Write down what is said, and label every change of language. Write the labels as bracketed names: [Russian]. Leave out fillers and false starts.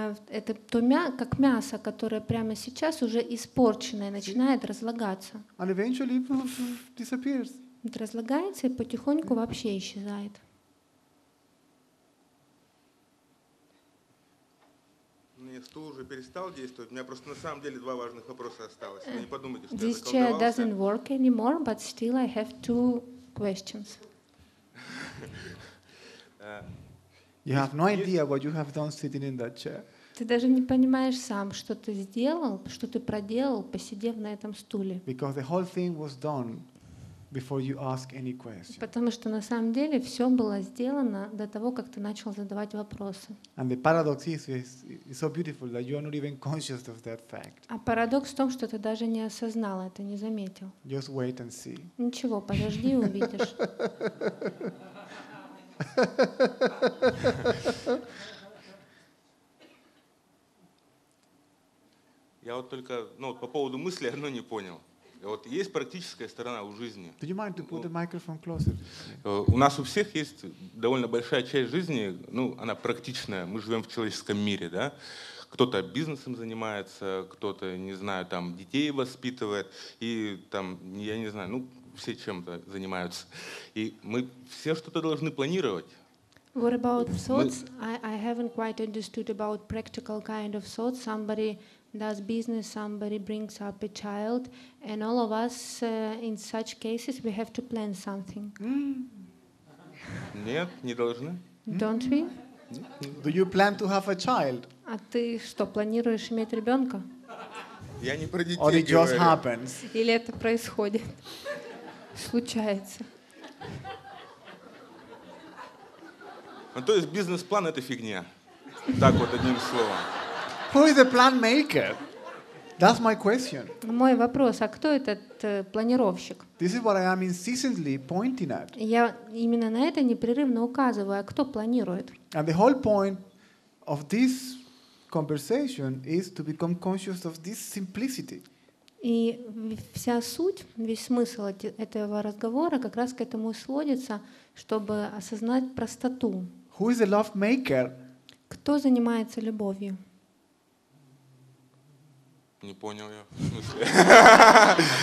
[Russian] Это то как мясо, которое прямо сейчас уже испорченное, начинает разлагаться. Разлагается и потихоньку вообще исчезает. Стул уже перестал действовать. У меня просто на самом деле два важных вопроса осталось. Вы не подумайте, что [English] This [Russian] я заколдовался. [English] This chair doesn't work anymore, but still I have two questions. You have no idea what you have done sitting in that chair. [Russian] Ты даже не понимаешь сам, что ты сделал, что ты проделал, посидев на этом стуле. [English] Because the whole thing was done before you ask any question. [Russian] Потому что на самом деле все было сделано до того, как ты начал задавать вопросы. [English] And the paradox is so beautiful that you are not even conscious of that fact. [Russian] А парадокс в том, что ты даже не осознал это, не заметил. [English] Just wait and see. [Russian] Ничего, подожди, увидишь. Я вот только, ну вот по поводу мысли одно не понял. Вот есть практическая сторона у жизни. [English] Do you mind to put the microphone closer? [Russian] У нас у всех есть довольно большая часть жизни, ну, она практичная. Мы живем в человеческом мире, да? Кто-то бизнесом занимается, кто-то, не знаю, там, детей воспитывает, и там, я не знаю, ну, все чем-то занимаются. И мы все что-то должны планировать. [English] What about thoughts? I haven't quite understood about practical kind of thoughts. Somebody does business, somebody brings up a child, and all of us in such cases we have to plan something. [Russian] Нет, не должны. [English] Don't we? Do you plan to have a child? [Russian] А ты что, планируешь иметь ребенка? Я не про детей говорю. [English] Or it just happens. [Russian] Или это происходит? Случается. Ну, то есть бизнес-план — это фигня. Так вот, одним словом. [English] Who is the plan maker? That's my question. [Russian] Мой вопрос, а кто этот планировщик? [English] This is what I am insistently pointing at. [Russian] Я именно на это непрерывно указываю, а кто планирует? [English] And the whole point of this conversation is to become conscious of this simplicity. [Russian] И вся суть, весь смысл этого разговора как раз к этому сводится, чтобы осознать простоту. [English] Who is the love maker? [Russian] Кто занимается любовью? Не понял я.